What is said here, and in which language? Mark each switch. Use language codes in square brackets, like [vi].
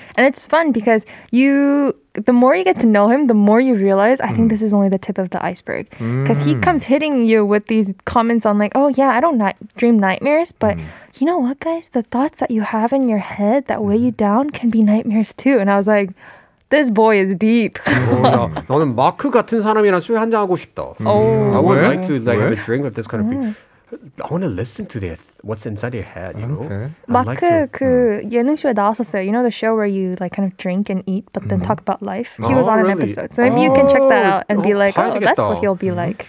[en] And it's fun because you, the more you get to know him, the more you realize, I think this is only the tip of the iceberg. Because he comes hitting you with these comments on like, oh yeah, I don't dream nightmares, but you know what, guys? The thoughts that you have in your head that weigh you down can be nightmares too. And I was like, this boy is deep. Oh, yeah. [ko] 나는 마크 같은 사람이랑 술 한잔 하고 싶다. [en] I would like to like, have a drink with this kind of people. I want to listen to their, what's inside their head, you know? [ko] Okay. 마크 [en] like to, [ko] 그 예능 쇼에 나왔었어요. [en] You know the show where you like kind of drink and eat, but then talk about life? He was on an episode. So maybe you can check that out and be like, oh, that's what he'll be like.